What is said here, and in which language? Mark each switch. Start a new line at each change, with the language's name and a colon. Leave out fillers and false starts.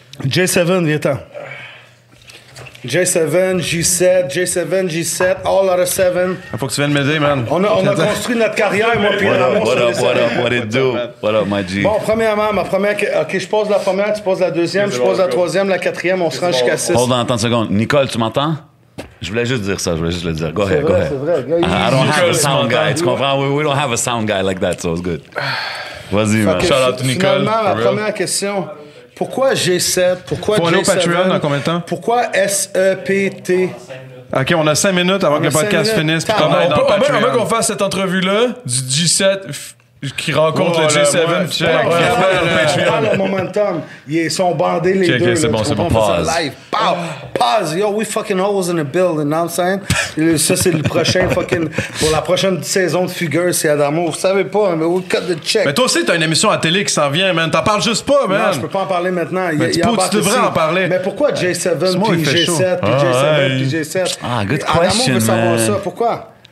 English: J7,
French: viens-t'en.
English: J7, G7, all out of 7.
French: Il faut que tu viennes m'aider, man. On a construit notre carrière, moi, puis
English: What up, my G?
French: Bon, premièrement, ma première. Ok, je pose la première, tu poses la deuxième, je pose la troisième, la quatrième, on se rend jusqu'à 6.
English: Hold on,
French: attends une seconde. Nicole, tu m'entends? Je voulais juste le dire.
English: Go ahead.
French: C'est vrai,
English: I don't have a sound guy,
French: tu comprends?
English: We don't have a sound guy like that, so it's good.
French: Vas-y, man.
English: Shout out to Nicole.
French: Finalement, ma première question. Pourquoi G7? Pourquoi G7? Pour aller au Patreon, dans combien de temps? Pourquoi S-E-P-T? OK, on a 5 minutes avant que le podcast finisse. On peut avant qu'on fasse cette entrevue-là du G7 qui rencontre le G7. Le momentum. Ils sont bandés, les deux. OK, c'est bon, c'est bon. Pause. Pause.
English: Yo, we fucking always in a building, you know what I'm saying?
French: Ça, c'est le prochain fucking... Pour la prochaine saison de Fugueur, c'est Adamo. Vous savez pas, mais
English: we cut the check.
French: Mais toi aussi, t'as une émission à télé qui s'en vient, man. T'en parles juste pas, man. Non, je peux pas en parler maintenant. Mais tu devrais en parler. Mais pourquoi J7, puis G7, puis G7, puis G7?
English: Ah, good question, man.
French: Adamo veut savoir ça. Pourquoi?